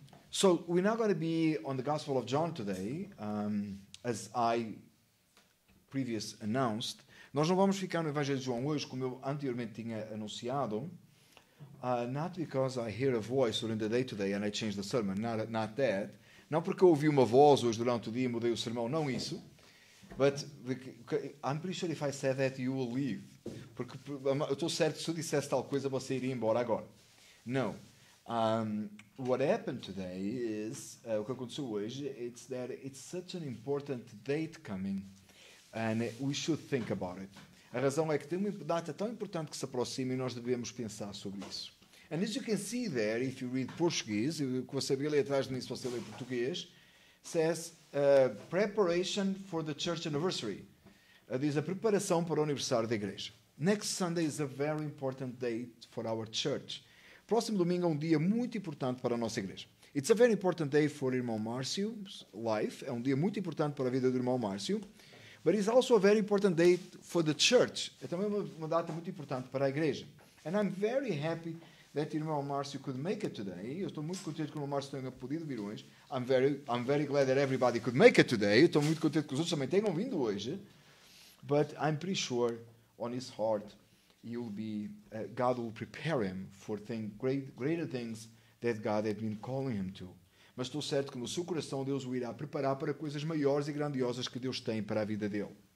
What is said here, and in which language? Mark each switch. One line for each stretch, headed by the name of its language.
English: So, we're now going to be on the Gospel of John today. As I previously announced,
Portuguese: nós não vamos ficar no Evangelho de João hoje, como eu anteriormente tinha anunciado.
English: Not because I hear a voice during the day today and I change the sermon, not that.
Portuguese: Não porque eu ouvi uma voz hoje durante o dia e mudei o sermão, não isso.
English: But I'm pretty sure if I said that you will leave.
Portuguese: Porque eu estou certo, se eu dissesse tal coisa, você iria embora agora. Não.
English: What happened today is,
Portuguese: o que aconteceu hoje,
English: it's that it's such an important date coming and we should think about it.
Portuguese: A razão é que tem uma data tão importante que se aproxima e nós devemos pensar sobre isso.
English: And as you can see there, if you read Portuguese,
Portuguese: o que você vê ali atrás de mim, se você lê português,
English: says preparation for the church anniversary.
Portuguese: Diz a preparação para o aniversário da igreja.
English: Next Sunday is a very important date for our church.
Portuguese: Próximo domingo é um dia muito importante para a nossa igreja.
English: It's a very important day for irmão Márcio's life.
Portuguese: É um dia muito importante para a vida do irmão Márcio.
English: But it's also a very important day for the church.
Portuguese: É também uma data muito importante para a igreja.
English: And I'm very happy that irmão Márcio could make it today.
Portuguese: Eu estou muito contente que o irmão Márcio tenha podido vir hoje.
English: I'm very glad that everybody could make it today.
Portuguese: Eu estou muito contente que os outros também tenham vindo hoje.
English: But I'm pretty sure on his heart, God will prepare him for greater things that God had been calling him to.
Portuguese: Mas estou certo que no seu coração Deus o irá preparar para coisas maiores e grandiosas que Deus tem para a vida dele.